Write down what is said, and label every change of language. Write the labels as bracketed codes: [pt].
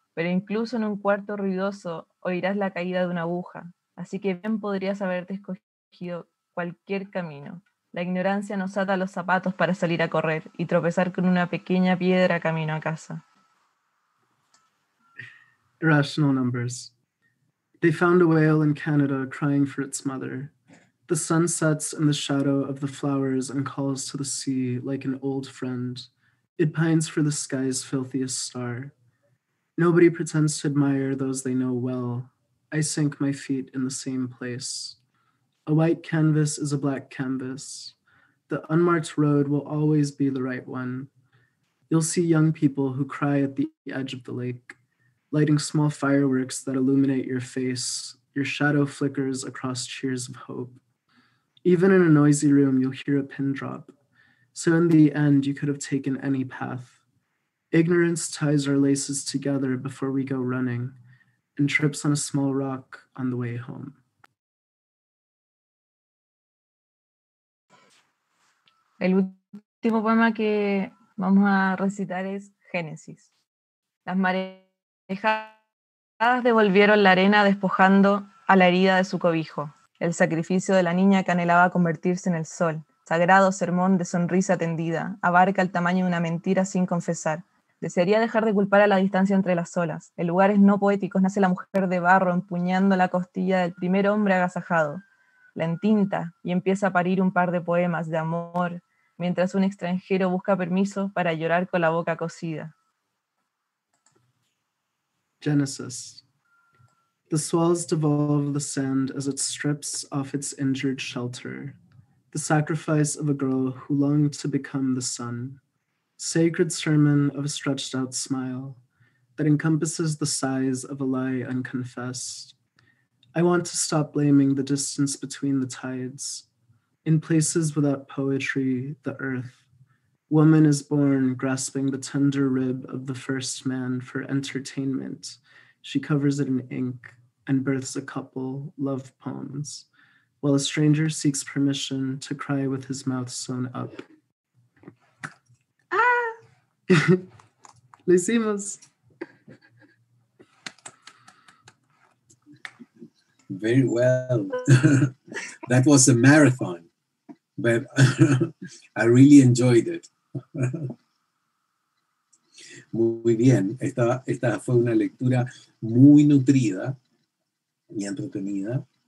[es] Pero incluso en un cuarto ruidoso oirás la caída de una aguja, así que bien podrías haberte escogido cualquier camino. La ignorancia nos ata los zapatos para salir a correr y tropezar con una pequeña piedra camino a casa. [en] Irrational numbers. They found a whale in Canada crying for its mother. The sun sets in the shadow of the flowers and calls to the sea like an old friend. It pines for the sky's filthiest star. Nobody pretends to admire those they know well. I sink my feet in the same place. A white canvas is a black canvas. The unmarked road will always be the right one. You'll see young people who cry at the edge of the lake, lighting small fireworks that illuminate your face. Your shadow flickers across cheers of hope. Even in a noisy room, you'll hear a pin drop. So in the end, you could have taken any path. Ignorance ties our laces together before we go running and trips on a small rock on the way home. [es] El último poema que vamos a recitar es Génesis. Las marejadas devolvieron la arena despojando a la herida de su cobijo. El sacrificio de la niña que anhelaba convertirse en el sol. Sagrado sermón de sonrisa tendida. Abarca el tamaño de una mentira sin confesar. Desearía dejar de culpar a la distancia entre las olas. En lugares no poéticos nace la mujer de barro empuñando la costilla del primer hombre agasajado. La entinta y empieza a parir un par de poemas de amor mientras un extranjero busca permiso para llorar con la boca cocida. [en] Genesis. The swells devolve the sand as it strips off its injured shelter. The sacrifice of a girl who longed to become the sun. Sacred sermon of a stretched out smile that encompasses the size of a lie unconfessed. I want to stop blaming the distance between the tides. In places without poetry, the earth. Woman is born grasping the tender rib of the first man for entertainment. She covers it in ink and births a couple love poems while a stranger seeks permission to cry with his mouth sewn up. [es] Lo hicimos. [en] Very well. That was a marathon, but I really enjoyed it. [es] Muy bien. Esta fue una lectura muy nutrida y entretenida.